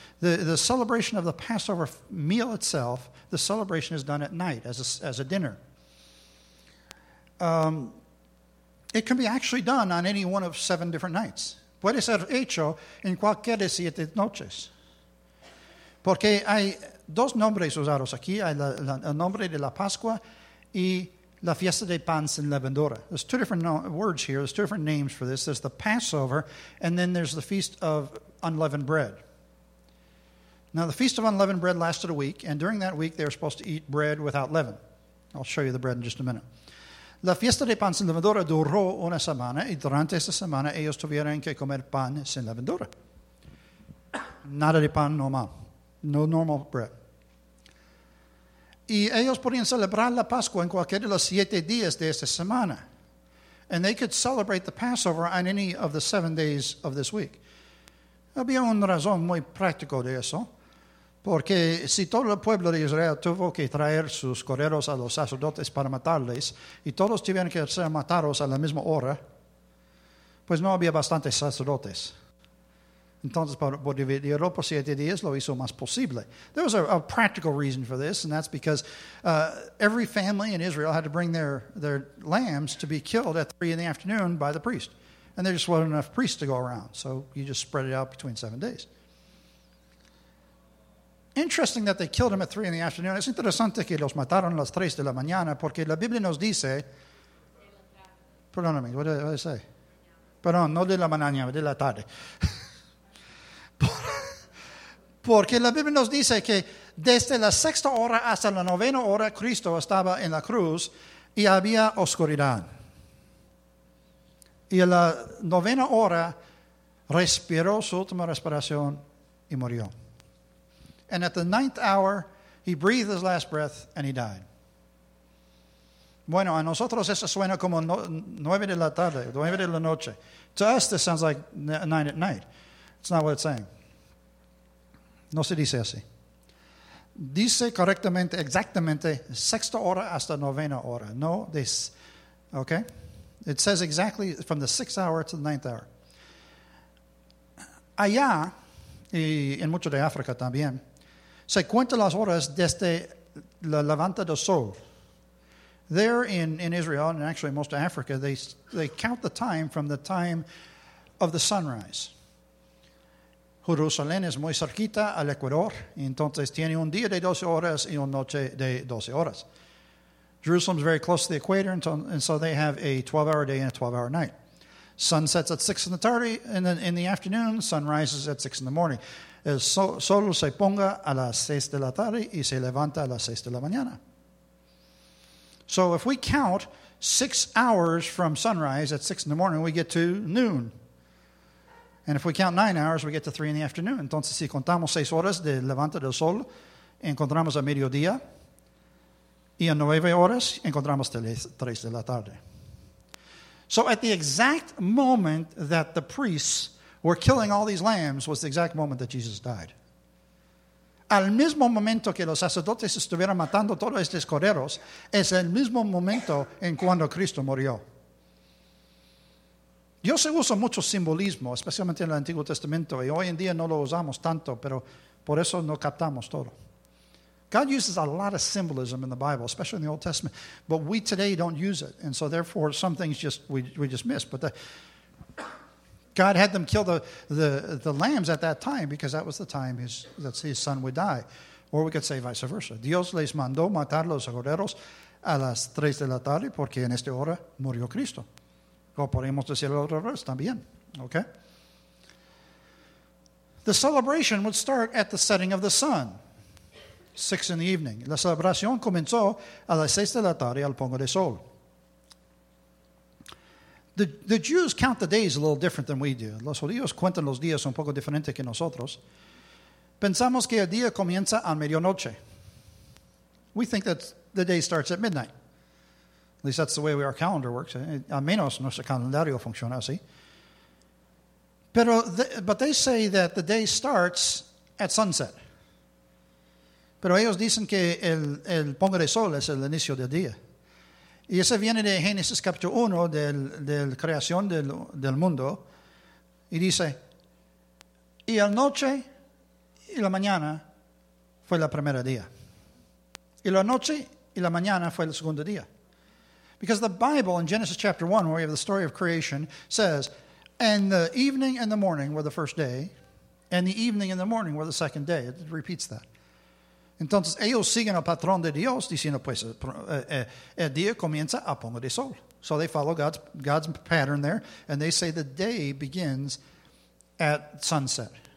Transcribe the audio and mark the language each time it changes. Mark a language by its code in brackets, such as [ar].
[en] The celebration of the Passover meal itself, the celebration is done at night as a dinner. It can be actually done on any one of 7 different nights. [es] Puede ser hecho en cualquier de 7 noches. Porque hay dos nombres usados aquí. Hay el nombre de la Pascua y la fiesta de pan sin levadura. [en] There's 2 different words here. There's 2 different names for this. There's the Passover, and then there's the Feast of Unleavened Bread. Now, the Feast of Unleavened Bread lasted a week, and during that week, they were supposed to eat bread without leaven. I'll show you the bread in just a minute. [es] La fiesta de pan sin levadura duró una semana y durante esa semana ellos tuvieron que comer pan sin levadura. Nada de pan normal. No normal bread. Y ellos podían celebrar la Pascua en cualquiera de los 7 días de esta semana. [en] And they could celebrate the Passover on any of the 7 days of this week. [es] Había una razón muy práctica de eso. Porque si todo el pueblo de Israel tuvo que traer sus corderos a los sacerdotes para matarles, y todos tuvieron que ser matados a la misma hora, pues no había bastantes sacerdotes. Entonces, por dividirlo por 7 días, lo hizo más posible. [en] There was a practical reason for this, and that's because every family in Israel had to bring their lambs to be killed at 3 in the afternoon by the priest. And there just wasn't enough priests to go around, so you just spread it out between 7 days. Interesting that they killed him at 3 in the afternoon. [es] Es interesante que los mataron a las 3 de la mañana porque la Biblia nos dice... Perdóname, [en] what did I say? [es] Perdón, no de la mañana, de la tarde. Porque la Biblia nos dice que desde la sexta hora hasta la novena hora Cristo estaba en la cruz y había oscuridad. Y a la novena hora respiró su última respiración y murió. [en] And at the ninth hour, he breathed his last breath and he died. [es] Bueno, a nosotros eso suena como nueve de la tarde, nueve de la noche. [en] To us, this sounds like nine at night. It's not what it's saying. [es] No se dice así. Dice correctamente, exactamente, sexta hora hasta novena hora. [en] No, this, okay? It says exactly from the sixth hour to the ninth hour. [es] Allá, y en mucho de África también, se cuentan las horas desde la levanta del sol. [en] There in Israel, and actually most of Africa, they count the time from the time of the sunrise. [es] Jerusalén es muy cerquita al Ecuador, entonces tiene un día de 12 horas y una noche de 12 horas. [en] Jerusalem is very close to the equator, and so they have a 12-hour day and a 12-hour night. Sun sets at 6 in the tarde, and then in the afternoon, sun rises at 6 in the morning. [es] El sol se ponga a las 6 de la tarde y se levanta a las 6 de la mañana. [en] So if we count 6 hours from sunrise at 6 in the morning, we get to noon. And if we count 9 hours, we get to 3 in the afternoon. [es] Entonces, si contamos 6 horas de levanta del sol, encontramos a mediodía. Y a 9 horas, encontramos 3 de la tarde. [en] So at the exact moment that the priests were killing all these lambs was the exact moment that Jesus died. [es] Al mismo momento que los sacerdotes estuvieron matando todos estos corderos, es el mismo momento en cuando Cristo murió. Yo se usa mucho simbolismo, especialmente en el Antiguo Testamento, y hoy en día no lo usamos tanto, pero por eso no captamos todo. [en] God uses a lot of symbolism in the Bible, especially in the Old Testament, but we today don't use it, and so therefore some things just we just miss. But God had them kill the lambs at that time because that was the time his son would die. Or we could say vice versa. [es] Dios les mandó matar los corderos a las 3 de la tarde porque en esta hora murió Cristo. O podemos decir el otro verso también. Okay? [en] The celebration would start at the setting of the sun, 6 in the evening. [es] La celebración comenzó a las 6 de la tarde al pongo de sol. [en] The Jews count the days a little different than we do. [es] Los judíos cuentan los días un poco diferente que nosotros. Pensamos que el día comienza a medianoche. [en] We think that the day starts at midnight. At least that's the way our calendar works. [es] A menos nuestro calendario funciona así. [en] But they say that the day starts at sunset. [es] Pero ellos dicen que el pongo de sol es el inicio del día. Y eso viene de Génesis capítulo 1, del creación del mundo. Y dice, y la noche y la mañana fue el primer día. Y la noche y la mañana fue el segundo día. [en] Because the Bible in Genesis chapter 1, where we have the story of creation, says, and the evening and the morning were the first day, and the evening and the morning were the second day. It repeats that. [es] Entonces, ellos siguen el patrón de Dios, diciendo, pues, el día comienza a pongo de sol. [en] So they follow God's pattern there, and they say the day begins at sunset.